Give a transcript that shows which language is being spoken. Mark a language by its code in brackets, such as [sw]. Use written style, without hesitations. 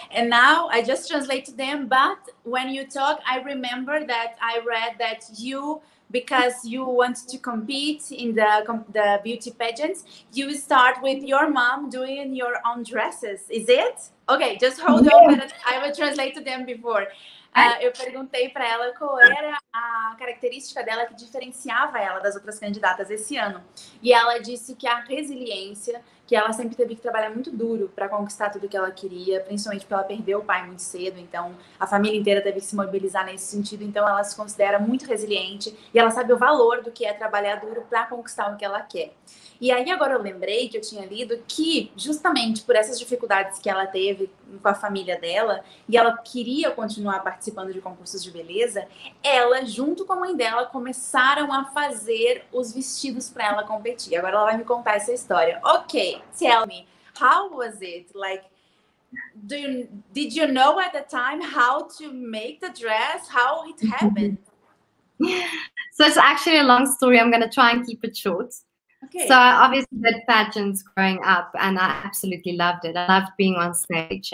[en] And now I just translated them, but when you talk, I remember that I read that you, because you want to compete in the beauty pageants, you start with your mom doing your own dresses, is it? Okay, just hold on, I will translate to them before. [pt] Eu perguntei para ela qual era a característica dela que diferenciava ela das outras candidatas esse ano. E ela disse que a resiliência, que ela sempre teve que trabalhar muito duro para conquistar tudo que ela queria, principalmente porque ela perdeu o pai muito cedo, então a família inteira teve que se mobilizar nesse sentido, então ela se considera muito resiliente e ela sabe o valor do que é trabalhar duro para conquistar o que ela quer. E aí agora eu lembrei que eu tinha lido que justamente por essas dificuldades que ela teve com a família dela e ela queria continuar participando de concursos de beleza, ela junto com a mãe dela começaram a fazer os vestidos para ela competir. Agora ela vai me contar essa história. [en] Okay, tell me, how was it? Like, did you know at the time how to make the dress? How it happened? So it's actually a long story. I'm going to try and keep it short. Okay. So I obviously did pageants growing up and I absolutely loved it. I loved being on stage.